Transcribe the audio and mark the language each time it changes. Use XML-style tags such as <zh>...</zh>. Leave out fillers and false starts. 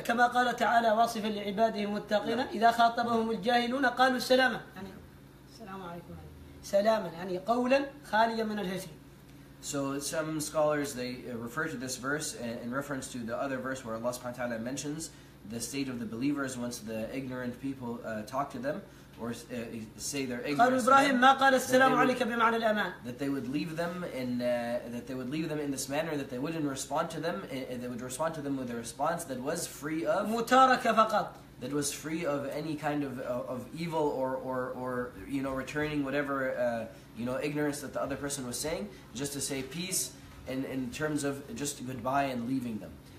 <ar>كما قال تعالى واصف لعباده متقين إذا خاطبهم الجاهلون قالوا السلام يعني السلام عليكم سلاما يعني قولا خاليا من الهجر.</ar> <en>So some scholars they refer to this verse in reference to the other verse where Allah subhanahu wa ta'ala mentions the state of the believers once the ignorant people talk to them or say their ignorance.</en> <ar>قال إبراهيم ما قال السلام عليك بمعنى الأمان.</ar> <en>That they would leave them in that they would leave them in this manner that they wouldn't respond to them they would respond to them with a response that was free of</en> <ar>متاركة فقط.</ar> <en>that was free of any kind of evil or you know, returning whatever you know, ignorance that the other person was saying, just to say peace in terms of just goodbye and leaving them.</en>